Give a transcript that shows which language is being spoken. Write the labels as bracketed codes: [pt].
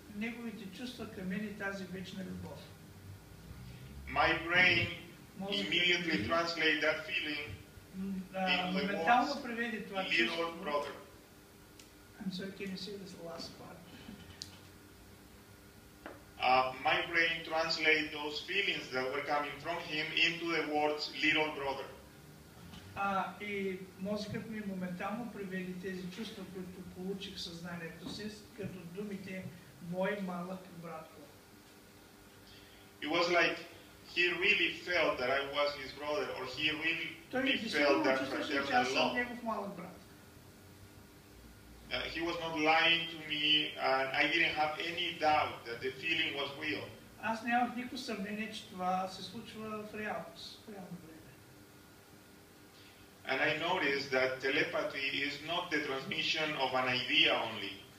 [bg] неговите чувства към мен и тази вечна любов. [en] My brain immediately translated that feeling into the words, little brother. I'm sorry, can you say this last part? My brain translated those feelings that were coming from him into the words, little brother. [bg] И мозъкът ми моментално преведе тези чувства, които получих в съзнанието си, като думите мой малък братко. [en] It was like he really felt that I was his brother, or he really felt that fraternal love. He was not lying to me, and I didn't have any doubt that the feeling was real. [bg] Аз нямах никакво съмнение, че това се случва в реалност. [en] And I noticed that telepathy is not the transmission of an idea only.